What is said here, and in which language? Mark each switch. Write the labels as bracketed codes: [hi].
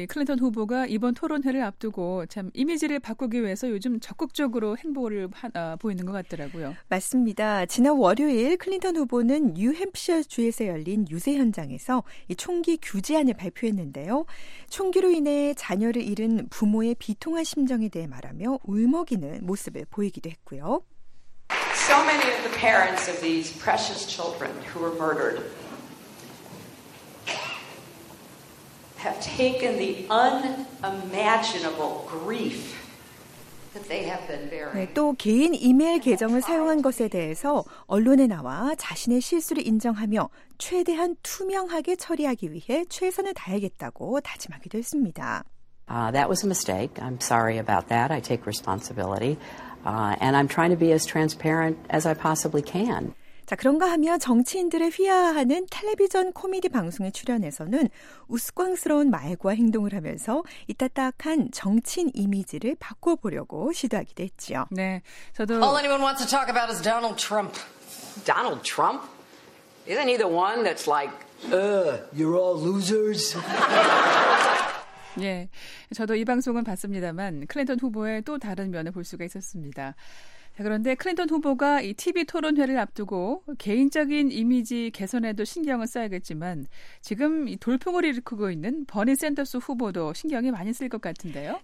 [ko] 클린턴 후보가 이번 토론회를 앞두고 참 이미지를 바꾸기 위해서 요즘 적극적으로 행보를 보이는 것 같더라고요. 맞습니다. 지난 월요일 클린턴 후보는 뉴햄프셔 주에서 열린 유세 현장에서 이 총기 규제안을 발표했는데요. 총기로 인해 자녀를 잃은 부모의 비통한 심정에 대해 말하며 울먹이는 모습을 보이기도 했고요. [en] So many of the parents of these precious children who were murdered have taken the unimaginable grief that they have been bearing. [ko] 네, 또 개인 이메일 계정을 사용한 것에 대해서 언론에 나와 자신의 실수를 인정하며 최대한 투명하게 처리하기 위해 최선을 다하겠다고 다짐하기도 했습니다. [en] That was a mistake. I'm sorry about that. I take responsibility. And I'm trying to be as transparent as I possibly can. [ko] 자, 그런가 하면 정치인들을 희화화하는 텔레비전 코미디 방송에 출연해서는 우스꽝스러운 말과 행동을 하면서 이 딱딱한 정치인 이미지를 바꿔보려고 시도하기도 했지요. 네, 저도... [en] All anyone wants to talk about is Donald Trump. Donald Trump? Isn't he the one that's like, you're all losers? [ko] 예, 저도 이 방송은 봤습니다만 클린턴 후보의 또 다른 면을 볼 수가 있었습니다. 자, 그런데 클린턴 후보가 이 TV 토론회를 앞두고 개인적인 이미지 개선에도 신경을 써야겠지만 지금 이 돌풍을 일으키고 있는 버니 샌더스 후보도 신경이 많이 쓸 것 같은데요.